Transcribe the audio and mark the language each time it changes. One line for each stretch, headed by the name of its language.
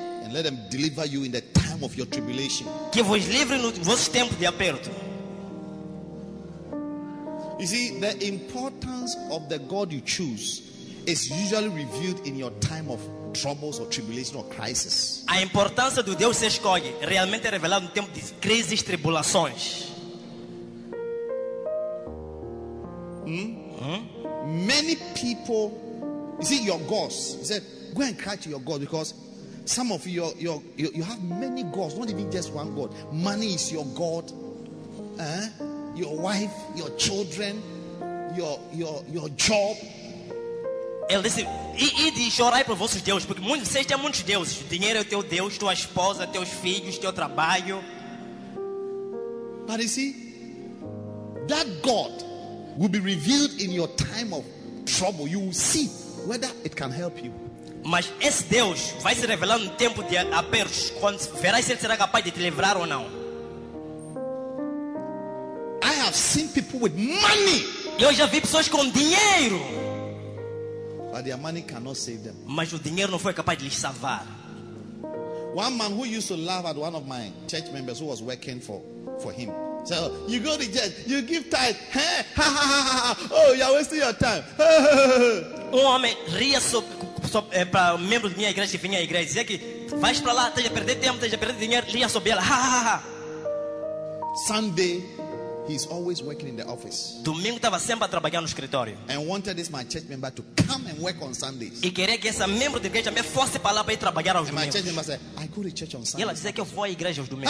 English: And let them deliver you in the time of your tribulation.
Portuguese: Que vos livrem no vosso tempo de aperto.
English: You see, the importance of the God you choose is usually revealed in your time of troubles or tribulation or crisis.
Portuguese: A importância do Deus que você escolhe realmente é revelada no tempo de crises e tribulações.
English: Many people, you see, your gods, he said, go and cry to your God because Some of you, you have many gods, not even just one God. Money is your God. Your wife, your children, your job.
Portuguese: Listen, e de chorar para o vosso Deus, porque muitos vocês têm muitos deuses. Dinheiro é teu Deus, tua esposa, teus filhos, teu trabalho.
English: But you see, that God will be revealed in your time of trouble. You will see whether it can help you.
Portuguese: Mas esse Deus vai se revelar no tempo de apertos, quando verá se ele será capaz de te livrar ou não.
English: I have seen people with money.
Portuguese: Eu já vi pessoas com dinheiro.
English: But their money cannot save them.
Portuguese: Mas o dinheiro não foi capaz de lhes salvar.
English: One man who used to laugh at one of my church members who was working for him. So you go to church, you give tithe. Oh, you are wasting your time.
Portuguese: Um homem ria para o membro da minha igreja que vinha à igreja dizia que vais para lá, esteja a perder tempo, esteja a perder dinheiro, ria sobre ela.
English: Sunday, he's always working in the office.
Portuguese: Domingo estava sempre a trabalhar no escritório.
English: And wanted this my church member to come and work on Sundays.
Portuguese: E queria que esse membro da igreja me fosse para lá para ir trabalhar aos domingos.
English: My church member said, I go to church on Sundays.
Portuguese: E ela dizia que eu vou à igreja aos domingos.